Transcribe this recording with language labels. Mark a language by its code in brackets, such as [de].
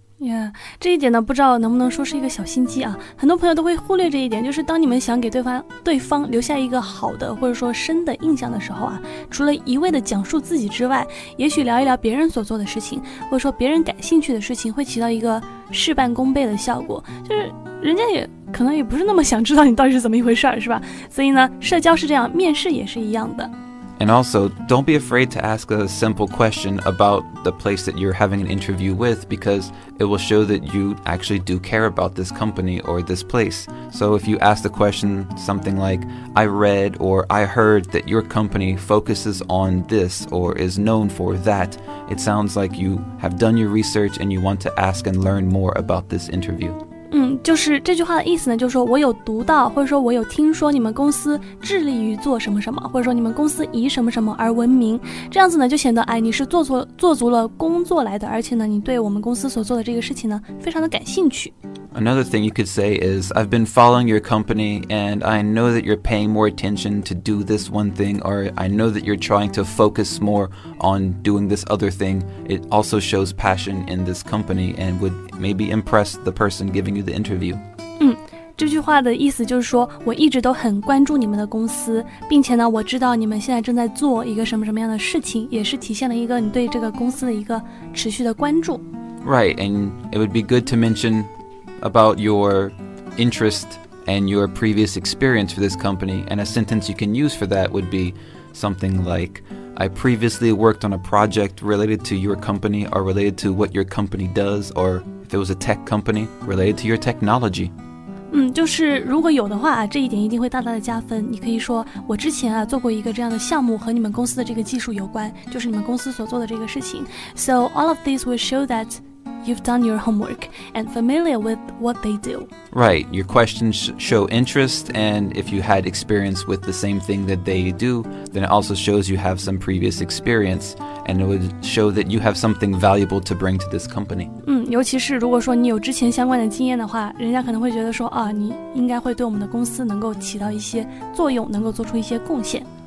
[zh] Yeah, 这一点呢不知道能不能说是一个小心机啊，很多朋友都会忽略这一点，就是当你们想给对方留下一个好的或者说深的印象的时候啊，除了一味的讲述自己之外，也许聊一聊别人所做的事情或者说别人感兴趣的事情会起到一个事半功倍的效果，就是人家也可能也不是那么想知道你到底是怎么一回事，是吧？所以呢，社交是这样，面试也是一样的。 [en] And also, don't be afraid to ask a simple question about the place that you're having an interview with because it will show that you actually do care about this company or this place. So if you ask the question something like, I read or I heard that your company focuses on this or is known for that, it sounds like you have done your research and you want to ask and learn more about this interview. [zh] 就是这句话的意思呢，就是说我有读到或者说我有听说你们公司致力于做什么什么，或者说你们公司以什么什么而闻名，这样子呢就显得哎你是做足了工作来的，而且呢你对我们公司所做的这个事情呢非常的感兴趣。 [en] Another thing you could say is I've been following your company and I know that you're paying more attention to do this one thing or I know that you're trying to focus more on doing this other thing. It also shows passion in this company and would maybe impress the person givingthe interview. [zh] 这句话的意思就是说我一直都很关注你们的公司，并且呢我知道你们现在正在做一个什么什么样的事情，也是体现了一个你对这个公司的一个持续的关注。 [en] Right, and it would be good to mention about your interest and your previous experience for this company, and a sentence you can use for that would be something like, I previously worked on a project related to your company or related to what your company does, orIf it was a tech company related to your technology. [zh] 就是如果有的话，这一点一定会大大的加分。你可以说，我之前啊做过一个这样的项目，和你们公司的这个技术有关，就是你们公司所做的这个事情。 [en] So all of these will show that you've done your homework and familiar with what they do. Right, your questions show interest, and if you had experience with the same thing that they do, then it also shows you have some previous experience, and it would show that you have something valuable to bring to this company. [zh] 尤其是如果说你有之前相关的经验的话，人家可能会觉得说啊，你应该会对我们的公司能够起到一些作用，能够做出一些贡献。